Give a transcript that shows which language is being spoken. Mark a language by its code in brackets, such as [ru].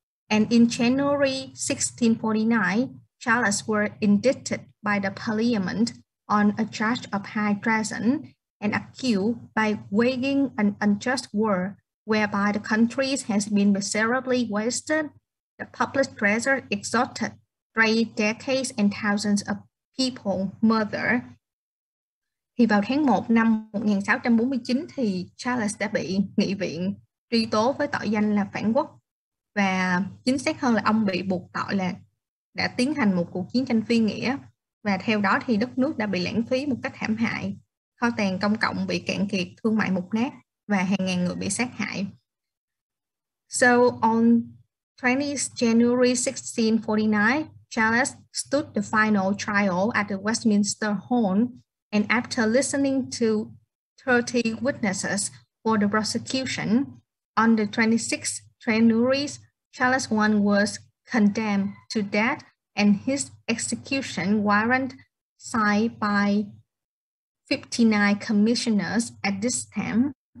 [en] And in January 1649, Charles was indicted by the parliament on a charge of high treason and accused by waging an unjust war whereby the country has been miserably wasted, the public treasure exhausted, 3 decades and thousands of people murdered. [vi] Thì vào tháng 1 năm 1649 thì Charles đã bị nghị viện truy tố với tội danh là phản quốc, và chính xác hơn là ông bị buộc tội là đã tiến hành một cuộc chiến tranh phi nghĩa, và theo đó thì đất nước đã bị lãng phí một cách thảm hại, kho tàng công cộng bị cạn kiệt, thương mại mục nát và hàng ngàn người bị sát hại. [en] So on 20 January 1649, Charles stood the final trial at the Westminster Hall. And after listening to 30 witnesses for the prosecution, on the 26th January, Charles I was condemned to death and his execution warrant signed by 59 commissioners at this time.